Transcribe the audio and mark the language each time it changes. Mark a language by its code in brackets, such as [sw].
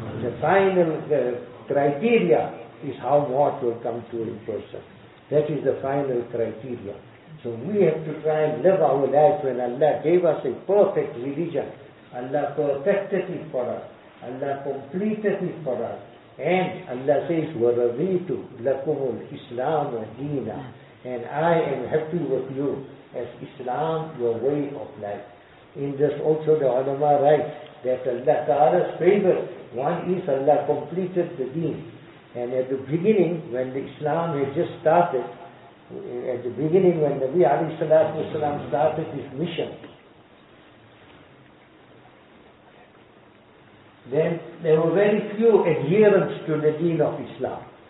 [en] The final criteria is how what will come to a person. That is the final criteria. So we have to try and live our life when Allah gave us a perfect religion. Allah perfected it for us. Allah completed it for us. And Allah says, [ar] وَرَضِيتُ لَكُمُ الْإِسْلَامُ دِينًا. [en] And I am happy with you as Islam, your way of life. In this also the ulama writes that Allah Ta'ala's favor, one is Allah completed the deen. And at the beginning, when the Islam had just started, at the beginning when Nabi alayhi salatu wasalam started his mission, then there were very few adherents to the deen of Islam.